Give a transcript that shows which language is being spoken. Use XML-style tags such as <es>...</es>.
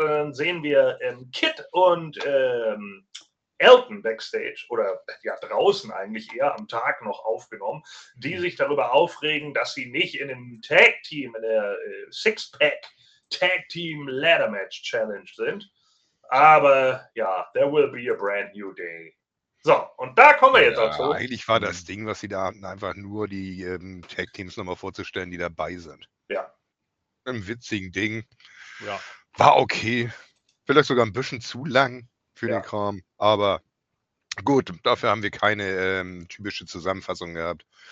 <de>Und dann sehen wir Kidd und Elton backstage oder ja draußen eigentlich eher am Tag noch aufgenommen, die sich darüber aufregen, dass sie nicht in dem Tag Team, in der Six-Pack Tag Team Ladder Match Challenge sind. Aber ja,</de> <en>there will be a brand new day.</en> <de>So, und da kommen wir jetzt dazu. Eigentlich war das Ding, was sie da hatten, einfach nur die Tag Teams nochmal vorzustellen, die dabei sind. Ja. Ein witziges Ding. Ja. War okay. Vielleicht sogar ein bisschen zu lang für den Kram, aber gut, dafür haben wir keine typische Zusammenfassung gehabt.</de>